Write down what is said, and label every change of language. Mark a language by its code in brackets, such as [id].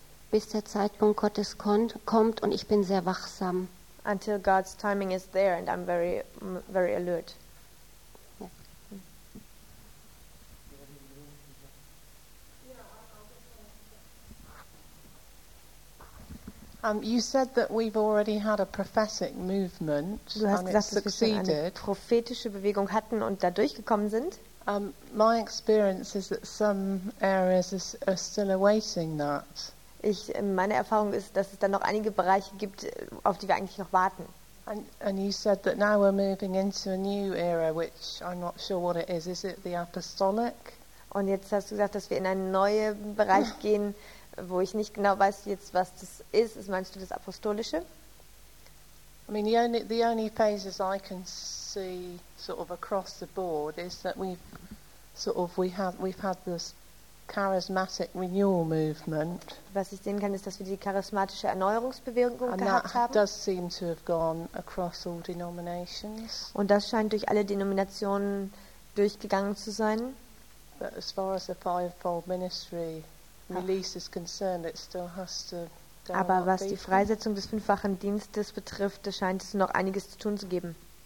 [de] Bis der Zeitpunkt Gottes kommt und ich bin sehr wachsam. [en] Until God's timing is there and I'm very, very alert. Yeah. You said that we've already had a prophetic movement. [de] Du hast gesagt, dass wir schon eine prophetische Bewegung hatten und da durchgekommen sind. [en] My experience is that some areas are still awaiting that. [de] Meine Erfahrung ist, dass es dann noch einige Bereiche gibt, auf die wir eigentlich noch warten. [en] And you said that now we're moving into a new era, which I'm not sure what it is. Is it the apostolic? [de] Und jetzt hast du gesagt, dass wir in einen neuen Bereich gehen, wo ich nicht genau weiß jetzt, was das ist. Meinst du das Apostolische? [en] I mean, the only phases I can see sort of across the board is that we've had this charismatic renewal movement. [de] Was ich sehen kann, ist, dass wir die charismatische Erneuerungsbewegung gehabt haben. [en] And that does seem to have gone across all denominations. [de] Und das scheint durch alle Denominationen durchgegangen zu sein. [en] But as far as the fivefold ministry release is concerned, it still has to. [de] Aber was die Freisetzung des fünffachen Dienstes betrifft, scheint es noch einiges zu tun zu geben.